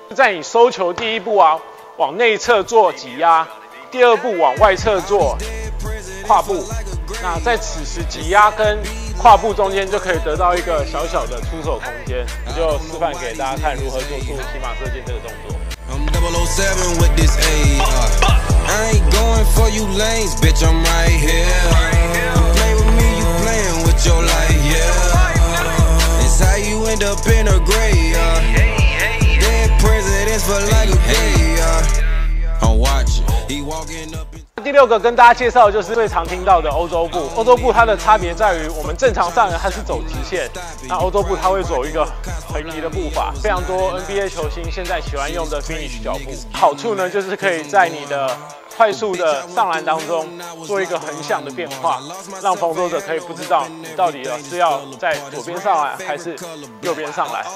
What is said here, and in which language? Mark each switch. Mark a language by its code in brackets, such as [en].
[zh] 在你收球第一步啊，往内侧做挤压；第二步往外侧做跨步。那在此时挤压跟跨步中间就可以得到一个小小的出手空间。我就示范给大家看如何做出骑马射箭这个动作。 [en] 007 with this A. I ain't going for you lanes, bitch. I'm right here. Play with me, you playing with your life, yeah. It's how you end up in a gray, yeah. Dead presidents for like a day, yeah. I'm watching. He walking up. [zh] 第六个跟大家介绍的就是最常听到的欧洲步。欧洲步它的差别在于，我们正常上篮它是走直线，那欧洲步它会走一个横移的步伐。非常多 NBA 球星现在喜欢用的 finish 脚步，好处呢就是可以在你的快速的上篮当中做一个横向的变化，让防守者可以不知道你到底是要在左边上篮还是右边上篮。